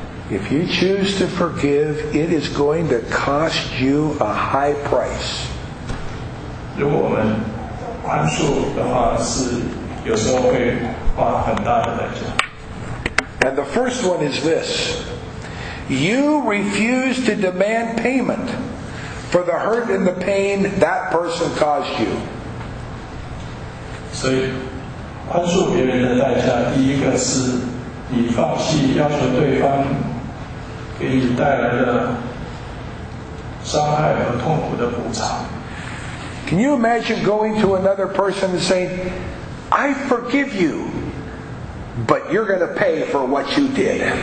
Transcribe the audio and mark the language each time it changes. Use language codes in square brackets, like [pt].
[en] If you choose to forgive, it is going to cost you a high price. [zh] 如果我们宽恕的话，是有时候会花很大的代价。 [en] And the first one is this. You refuse to demand payment for the hurt and the pain that person caused you. [zh] 所以宽恕别人的代价，第一个是你放弃要求对方给你带来的伤害和痛苦的补偿。 [en] Can you imagine going to another person and saying, I forgive you, but you're going to pay for what you did?